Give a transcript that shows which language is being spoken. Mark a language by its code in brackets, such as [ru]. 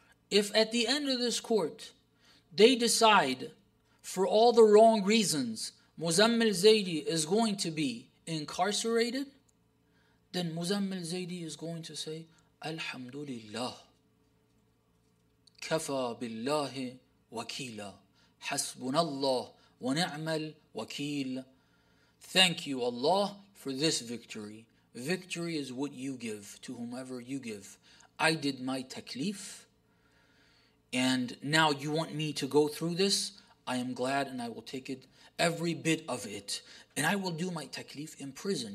[en] If at the end of this court, they decide, for all the wrong reasons, Muzammil Zaidi is going to be incarcerated, then Muzammil Zaidi is going to say, Alhamdulillah. [ar] كفى بالله وكيلا حسبنا الله ونعم الوكيل. [en] Thank you Allah for this victory. Victory is what you give to whomever you give. I did my taklif, and now you want me to go through this. I am glad and I will take it, every bit of it. And I will do my taklif in prison.